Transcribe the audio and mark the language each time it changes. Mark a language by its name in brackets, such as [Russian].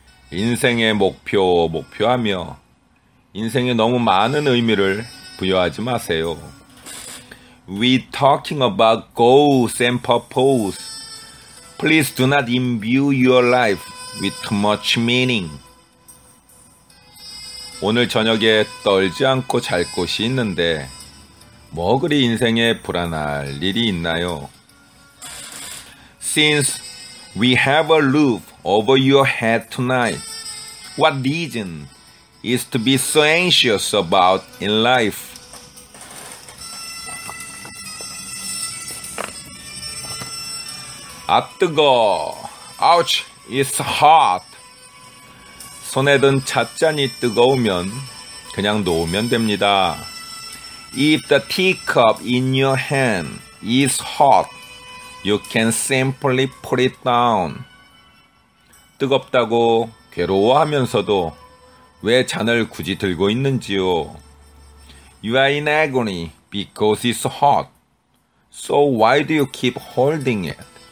[Korean] 인생의 목표, 목표하며 인생에 너무 많은 의미를 부여하지 마세요. [English] We talking about goals and purpose. Please do not imbue your life with too much meaning. [Korean] 오늘 저녁에 떨지 않고 잘 곳이 있는데 뭐 그리 인생에 불안할 일이 있나요? [English] Since we have a roof over your head tonight, what reason is to be so anxious about in life? [Korean] 아 뜨거, [English] ouch, it's hot. [Korean] 손에 든 찻잔이 뜨거우면 그냥 놓으면 됩니다. [English] If the teacup in your hand is hot, you can simply put it down. [Korean] 뜨겁다고 괴로워하면서도 왜 잔을 굳이 들고 있는지요? [English] You are in agony because it's hot. So why do you keep holding it?